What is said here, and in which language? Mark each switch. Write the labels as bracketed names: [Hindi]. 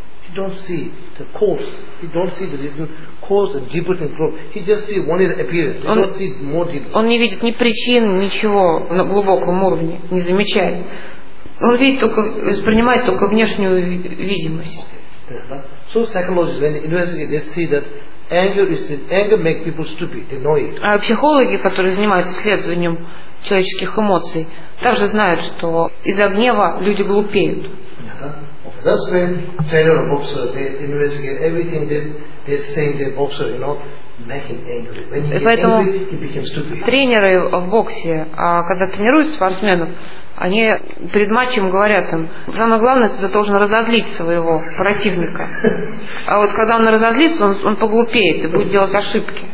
[English] He don't see the cause. He don't see the reason. Cause deeper than cause. He just see only the appearance. He don't see more deep. [Russian] Он не видит ни причин, ничего на глубоком уровне, не замечает. Он видит только, воспринимает только внешнюю видимость. [English] So psychologists, when they investigate, they see that anger is that anger makes people stupid, annoying. [Russian] А психологи, которые занимаются исследованием человеческих эмоций, также знают, что из-за гнева люди глупеют. [English] That's when trainer or boxer they investigate everything. They say the boxer, you know, making angry. When he gets angry, he becomes stupid. [Russian] Тренеры в боксе, когда тренируют спортсменов, они перед матчем говорят им: самое главное, ты должен разозлить своего противника. А вот когда он разозлится, он поглупеет и будет делать ошибки.